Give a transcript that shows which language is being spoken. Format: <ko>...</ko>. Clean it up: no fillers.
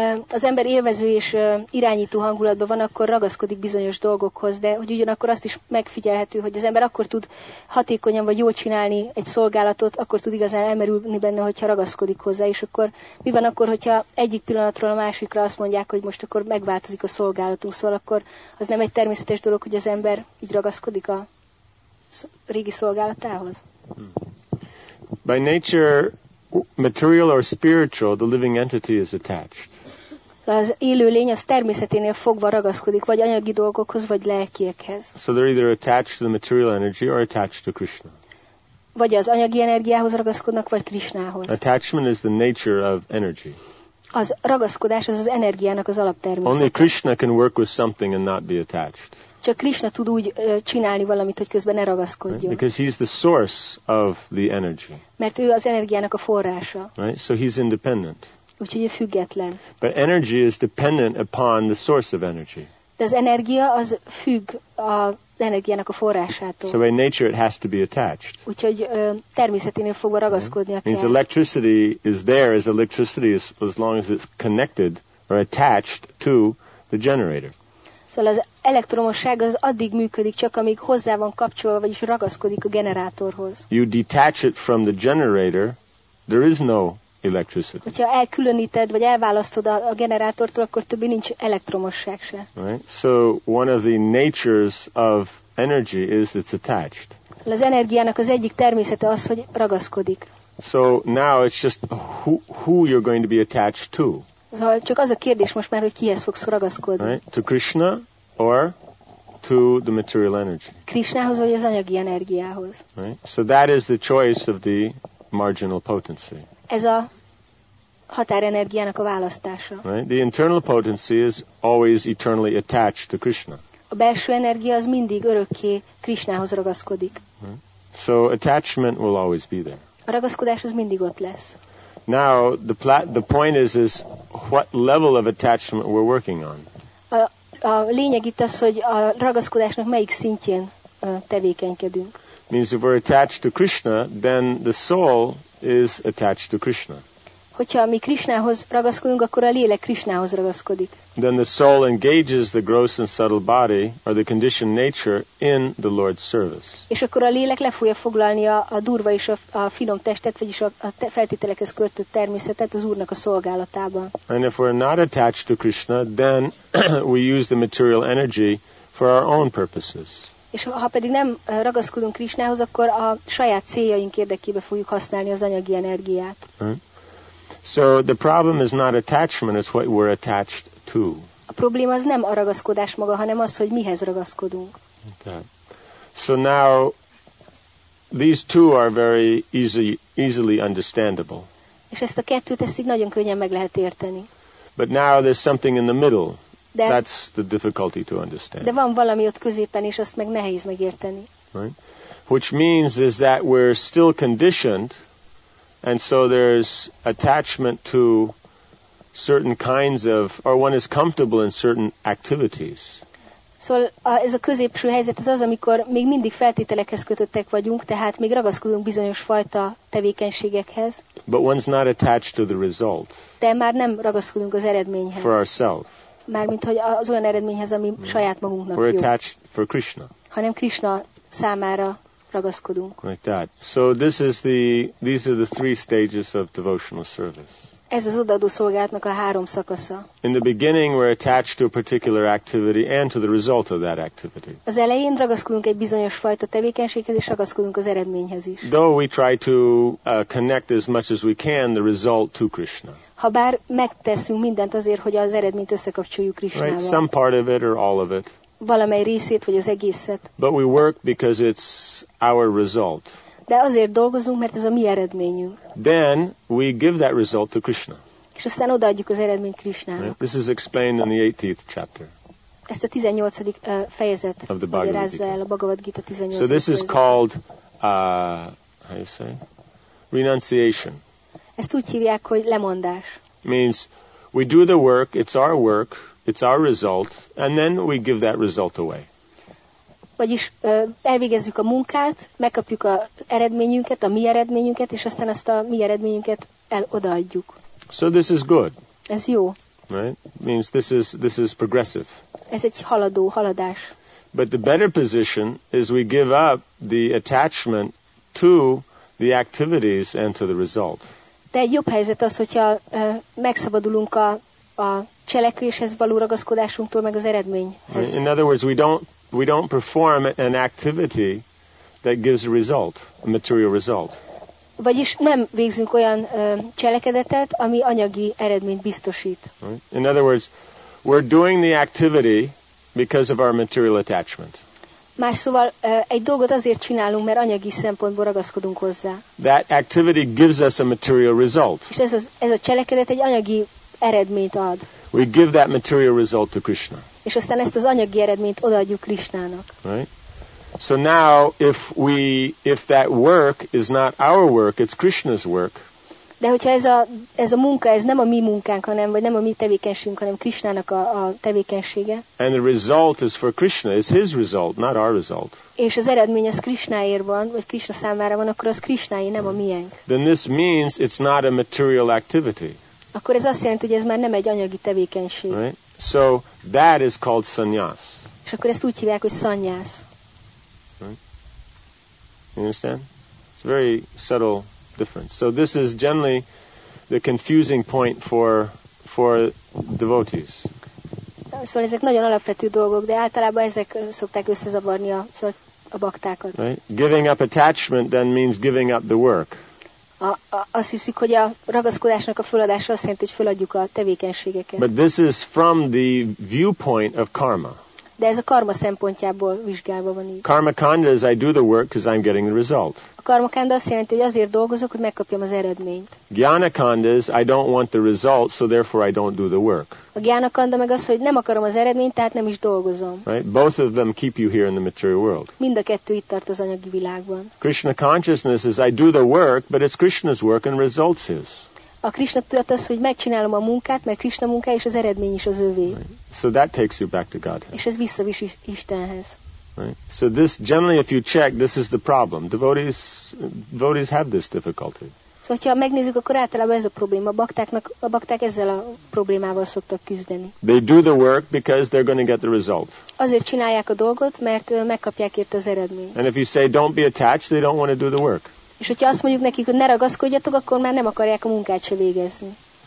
<hu>az ember élvező és irányító hangulatban van, akkor ragaszkodik bizonyos dolgokhoz, de hogy ugyanakkor azt is megfigyelhető, hogy az ember akkor tud hatékonyan vagy jól csinálni egy szolgálatot, akkor tud igazán elmerülni benne, hogyha ragaszkodik hozzá, és akkor mi van akkor, hogyha egyik pillanatról a másikra azt mondják, hogy most akkor megváltozik a szolgálatunk, szóval akkor az nem egy természetes dolog, hogy az ember így ragaszkodik a régi szolgálatához?</hu> <en>By nature, material or spiritual, the living entity is attached.</en> <hu>Az élő lény az természeténél fogva ragaszkodik, vagy anyagi dolgokhoz, vagy lelkiekhez.</hu> <en>So they're either attached to the material energy or attached to Krishna.</en> <hu>Vagy az anyagi energiához ragaszkodnak, vagy Krishnához.</hu> <en>Attachment is the nature of energy.</en> <hu>Az ragaszkodás az energiának az alaptermészete.</hu> <en>Only Krishna can work with something and not be attached.</en> <hu>Csak Krishna tud úgy csinálni valamit, hogy közben ne ragaszkodjon.</hu> <en>Right? Because he is the source of the energy.</en> <hu>Mert ő az energiának a forrása.</hu> <en>Right? So he's independent.</en> <hu>Úgyhogy ő független.</hu> <en>But energy is dependent upon the source of energy.</en> <hu>De az energia az függ az energiának a forrásától.</hu> <en>So by nature it has to be attached.</en> <hu>Úgyhogy természeténél fogva ragaszkodnia kell.</hu> <en>Means electricity is there as electricity is, as long as it's connected or attached to the generator.</en> <hu>Szóval az elektromosság az addig működik, csak amíg hozzá van kapcsolva, vagyis ragaszkodik a generátorhoz.</hu> <en>You detach it from the generator, there is no electricity.</en> <hu>Hogyha elkülöníted, vagy elválasztod a generátortól, akkor többé nincs elektromosság se.</hu> <en>Right? So one of the natures of energy is it's attached.</en> <hu>Szóval az energiának az egyik természete az, hogy ragaszkodik.</hu> <en>So now it's just who you're going to be attached to.</en> <hu>Szóval csak az a kérdés most már, hogy kihez fogsz ragaszkodni.</hu> <en>Right? To Krishna or to the material energy.</en> <hu>Krishnához vagy az anyagi energiához.</hu> <en>Right? So that is the choice of the marginal potency.</en> <hu>Ez a határenergiának a választása.</hu> <en>Right? The internal potency is always eternally attached to Krishna.</en> <hu>A belső energia az mindig örökké Krishnához ragaszkodik.</hu> <en>Right? So attachment will always be there.</en> <hu>A ragaszkodás az mindig ott lesz.</hu> <en>Now the point is what level of attachment we're working on.</en> <hu>A lényeg itt az, hogy a ragaszkodásnak melyik szintjén tevékenykedünk.</hu> <en>Means if we're attached to Krishna, then the soul is attached to Krishna.</en> <hu>Hogyha mi Krishnához ragaszkodunk, akkor a lélek Krishnához ragaszkodik.</hu> <en>Then the soul engages the gross and subtle body or the conditioned nature in the Lord's service.</en> <hu>És akkor a lélek le fogja foglalni a durva és a finom testet, vagyis a feltételekhez kötött természetet az Úrnak a szolgálatában.</hu> <en>And if we're not attached to Krishna, then we use the material energy for our own purposes.</en> <hu>És ha pedig nem ragaszkodunk Krishnához, akkor a saját céljaink érdekében fogjuk használni az anyagi energiát.</hu> <en>So the problem is not attachment, it's what we're attached to.</en> <hu>A probléma az nem a ragaszkodás maga, hanem az, hogy mihez ragaszkodunk.</hu> <en>Okay. So now these two are very easily understandable.</en> <hu>És ezt a kettőt ezt így nagyon könnyen meg lehet érteni.</hu> <en>But now there's something in the middle. De, that's the difficulty to understand.</en> <hu>De van valami ott középen, és azt meg nehéz megérteni.</hu> <en>Right? Which means is that we're still conditioned. And so there's attachment to certain kinds of, or one is comfortable in certain activities.</en> <hu>Szóval ez a középső helyzet az az, amikor még mindig feltételekhez kötöttek vagyunk, tehát még ragaszkodunk bizonyos fajta tevékenységekhez.</hu> <en>But one's not attached to the result.</en> <hu>De már nem ragaszkodunk az eredményhez.</hu> <en>For ourselves.</en> <hu>Mármint, hogy az olyan eredményhez, ami saját magunknak</hu> <en>We're</en> <hu>jó.</hu> <en>We're attached for Krishna.</en> <hu>Hanem Krishna számára. Ragaszkodunk.</hu> <en>Like that. So this is these are the three stages of devotional service.</en> <hu>Ez az odaadó szolgálatnak a három szakasza.</hu> <en>In the beginning we're attached to a particular activity and to the result of that activity.</en> <hu>Az elején ragaszkodunk egy bizonyos fajta tevékenységhez és ragaszkodunk az eredményhez is.</hu> <en>Though we try to connect as much as we can the result to Krishna.</en> <hu>Habár megteszünk mindent azért, hogy az eredményt összekapcsoljuk Krishnával.</hu> <en>Right, some part of it or all of it.</en> <hu>Valamely részét vagy az egészet.</hu> <en>But we work because it's our result.</en> <hu>De azért dolgozunk, mert ez a mi eredményünk.</hu> <en>Then we give that result to Krishna.</en> <hu>És aztán odaadjuk az eredményt Krishnának.</hu> <en>Right? This is explained in the 18th chapter.</en> <hu>Ezt a 18. fejezet</hu> <en>of the Bhagavad Gita.</en> <hu>A Bhagavad Gita 18.</hu> <en>So this is called how you say? Renunciation.</en> <hu>Ezt úgy hívják, hogy lemondás.</hu> <en>Means we do the work, it's our work. It's our result, and then we give that result away.</en> <hu>Vagyis elvégezzük a munkát, megkapjuk a eredményünket, a mi eredményünket, és aztán azt a mi eredményünket odaadjuk.</hu> <en>So this is good.</en> <hu>Ez jó.</hu> <en>Right? Means this is progressive.</en> <hu>Ez egy haladó, haladás.</hu> <en>But the better position is we give up the attachment to the activities and to the result.</en> <hu>De egy jobb helyzet az, hogyha megszabadulunk a cselekvéshez való ragaszkodásunktól, meg az eredményhez.</hu> <en>In other words, we don't perform an activity that gives a result, a material result.</en> <hu>Vagyis nem végzünk olyan cselekedetet, ami anyagi eredményt biztosít.</hu> <en>Right? In other words, we're doing the activity because of our material attachment.</en> <hu>Más szóval egy dolgot azért csinálunk, mert anyagi szempontból ragaszkodunk hozzá.</hu> <en>That activity gives us a material result.</en> <hu>És ez a cselekedet egy anyagi eredményt ad.</hu> <en>We give that material result to Krishna.</en> <hu>És aztán ezt az anyagi eredményt odaadjuk Krishnának.</hu> <en>Right? So now if that work is not our work, it's Krishna's work.</en> <hu>De hogyha ez a munka, ez nem a mi munkánk, hanem vagy nem a mi tevékenységünk, hanem Krishnának a tevékenysége.</hu> <en>And the result is for Krishna, it's his result, not our result.</en> <hu>És az eredmény az Krishnáért van, vagy Krishna számára van, akkor az Krishnáé, nem a miénk.</hu> <en>Then this means it's not a material activity.</en> <hu>Akkor ez azt jelenti, hogy ez már nem egy anyagi tevékenység.</hu> <en>Right? So that is called sannyas.</en> <hu>És akkor ezt úgy hívják, hogy sannyas.</hu> <en>You understand? It's a very subtle difference. So this is generally the confusing point for devotees.</en> <hu>Szóval ezek nagyon alapvető dolgok, de általában ezek szokták összezavarni a baktákat.</hu> <en>Right? Giving up attachment then means giving up the work.</en> <hu>Azt hiszik, hogy a ragaszkodásnak a feladása azt jelenti, hogy feladjuk a tevékenységeket.</hu> <en>But this is from the viewpoint of karma.</en> <hu>De ez a karma szempontjából vizsgálva van így.</hu> <en>Karma kanda is I do the work because I'm getting the result.</en> <hu>A karma kanda azt jelenti, hogy azért dolgozok, hogy megkapjam az eredményt.</hu> <en>Gyana kanda is I don't want the result, so therefore I don't do the work.</en> <hu>A gyana kanda meg az, hogy nem akarom az eredményt, tehát nem is dolgozom.</hu> <en>Right? Both of them keep you here in the material world.</en> <hu>Mind a kettő itt tart az anyagi világban.</hu> <en>Krishna consciousness is I do the work, but it's Krishna's work and results his.</en> <hu>A Krishna tudat az, hogy megcsinálom a munkát, mert Krishna munkája és az eredmény is az övé.</hu> <en>Right. So that takes you back to Godhead.</en> <hu>És ez visszavis Istenhez.</hu> <en>Right. So this generally if you check, this is the problem. Devotees have this difficulty.</en> <hu>Szóval, hogyha megnézzük, akkor általában ez a probléma. A bakták ezzel a problémával szoktak küzdeni.</hu> <en>They do the work because they're going to get the result.</en> <hu>Azért csinálják a dolgot, mert megkapják érte az eredményt.</hu> <en>And if you say don't be attached, they don't want to do the work.</en> <hu>És hogyha azt mondjuk nekik, hogy ne ragaszkodjatok, akkor már nem akarják a munkát se végezni.</hu>